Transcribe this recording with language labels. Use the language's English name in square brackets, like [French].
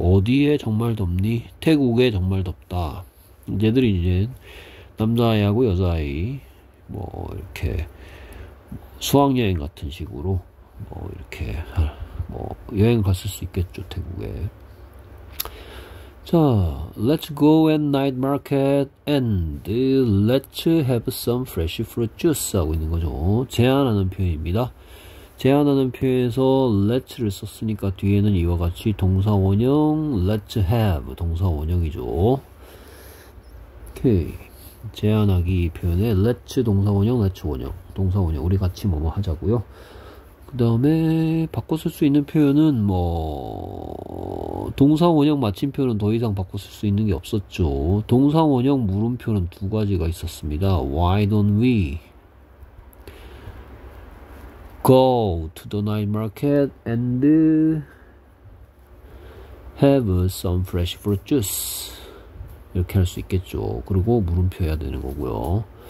[Korean] 어디에 정말 덥니? 태국에 정말 덥다. 얘들이 이제 남자아이하고 여자아이, 뭐, 이렇게, 수학여행 같은 식으로, 뭐, 이렇게, 뭐, 여행 갔을 수 있겠죠, 태국에. [English] 자, let's go and night market and let's have some fresh fruit juice [Korean] 하고 있는 거죠. 제안하는 표현입니다. 제안하는 표현에서 let's를 썼으니까 뒤에는 이와 같이 동사원형, let's have, 동사원형이죠. 오케이. 제안하기 표현에 let's 동사원형, let's 원형, 동사원형 우리 같이 뭐뭐 하자고요. 그 다음에 바꿔 쓸수 있는 표현은 뭐 동사원형 마침표는 더 이상 바꿔 쓸수 있는 게 없었죠. 동사원형 물음표는 두 가지가 있었습니다. [English] Why don't we? go to the night market and have some fresh fruit juice. [Korean] 이렇게 할수 있겠죠. 그리고 물음표 해야 되는 거고요.